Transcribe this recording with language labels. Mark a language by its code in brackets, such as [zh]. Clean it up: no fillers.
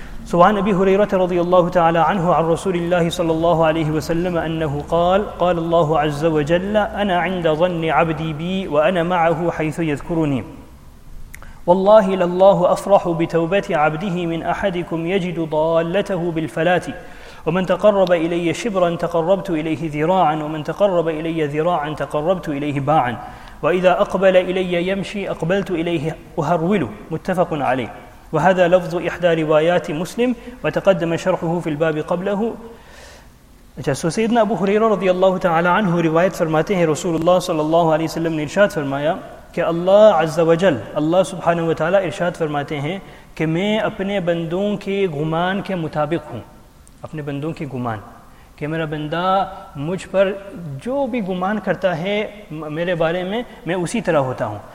[ar] سو عن ابی ہریرہ رضی اللہ تعالی عنہ عن رسول اللہ صلی اللہ علیہ وسلم انہ قال اللہ عز وجل انا عند ظن عبدی بی وانا معه حیث یذکرنی واللہ للہ افرح بتوبت عبده من احدکم یجد ضالته بالفلات ومن تقرب الی شبرا تقربت الیہ ذراعا ومن تقرب الی ذراعا تقربت الیہ باعا واذا اقبل الی یمشی اقبلت الیہ اہرول. متفق علیہ. وهذا لفظ إحدى روايات مسلم وتقدم شرحه في الباب قبله. [ur] سو سیدنا ابو ہریرہ رضی اللہ تعالی عنہ روایت فرماتے ہیں رسول اللہ صلی اللہ علیہ وسلم نے ارشاد فرمایا کہ اللہ عز و جل, اللہ سبحانہ و تعالی ارشاد فرماتے ہیں کہ میں اپنے بندوں کے گمان کے مطابق ہوں, اپنے بندوں کے گمان کہ میرا بندہ مجھ پر جو بھی گمان کرتا ہے میرے بارے میں, میں اسی طرح ہوتا ہوں.